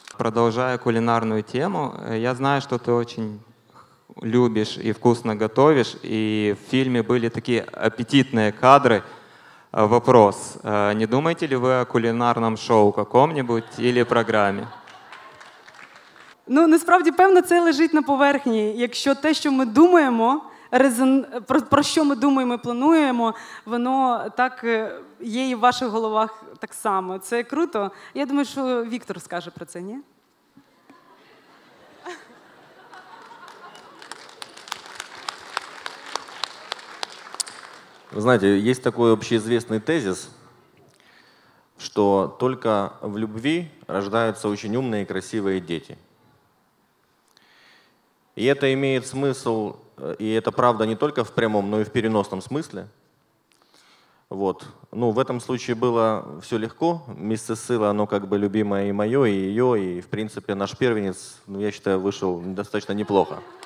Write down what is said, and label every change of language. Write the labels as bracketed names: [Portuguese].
[Russian] Продолжая кулинарную тему, я знаю, что ты очень любишь и вкусно готовишь, и в фильме были такие аппетитные кадры. Вопрос, не думаете ли вы о кулинарном шоу каком-нибудь или программе? [Ukrainian] Ну, насправді, певно, це лежить на поверхні. Якщо те, що ми думаємо, про що ми думаємо і плануємо, воно так є і в ваших головах так само. Це круто. Я думаю, що Віктор скаже про це, ні? Ви знаєте, є такий общеізвісний тезис, що тільки в любові рождаються дуже умні і красиві діти. [Russian] И это имеет смысл, и это правда не только в прямом, но и в переносном смысле. Вот. Ну, в этом случае было все легко. Мисс Сила, оно как бы любимое и мое, и ее, и в принципе наш первенец, ну, я считаю, вышел достаточно неплохо.